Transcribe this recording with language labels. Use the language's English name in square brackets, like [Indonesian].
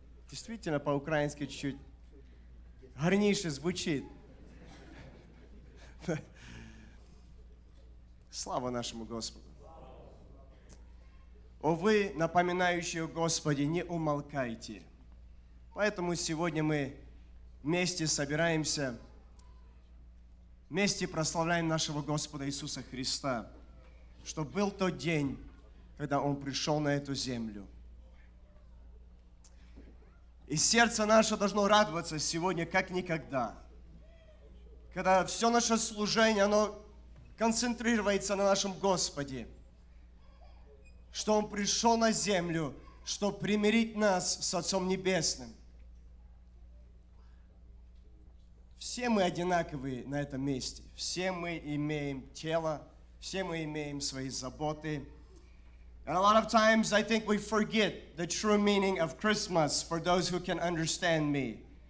[Ukrainian] Дійсно, по-українськи чуть гарніше звучить. Слава нашому Господу! О, ви, напоминаючи о Господі, не умолкайте! [Russian] Поэтому сьогодні ми вместе собираемся, вместе прославляем нашего Господа Иисуса Христа, что был тот день, когда Он пришел на эту землю. И сердце наше должно радоваться сегодня, как никогда, когда все наше служение, оно концентрируется на нашем Господе, что Он пришел на землю, чтобы примирить нас с Отцом Небесным. Все мы одинаковые на этом месте. Все мы имеем тело, все мы имеем свои заботы. [English] And a lot of times I think we forget the true meaning of Christmas for those who can understand me.